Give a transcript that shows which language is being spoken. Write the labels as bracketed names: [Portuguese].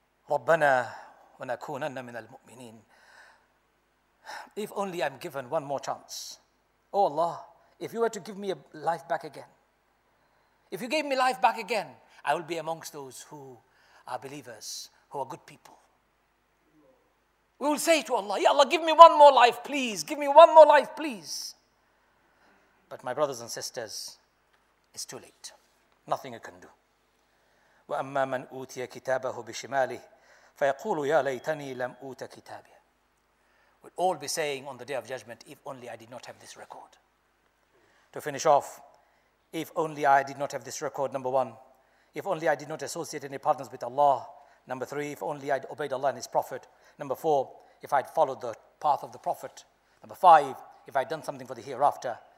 [Arabic] ربنا ونكونن من المؤمنين. [English] If only I'm given one more chance. Oh Allah, if you were to give me a life back again, if you gave me life back again, I will be amongst those who are believers, who are good people. We will say to Allah, Ya Allah, give me one more life, please. Give me one more life, please. But my brothers and sisters, it's too late. Nothing you can do. [Arabic] وَأَمَّا مَنْ أُوْتِيَ كِتَابَهُ بِشِمَالِهِ فيقول يا ليتني لم أوت كتابي. [English] We'll all be saying on the day of judgment, if only I did not have this record. To finish off, if only I did not have this record, number one. If only I did not associate any partners with Allah. Number three, if only I'd obeyed Allah and His Prophet. Number four, if I'd followed the path of the Prophet. Number five, if I'd done something for the hereafter.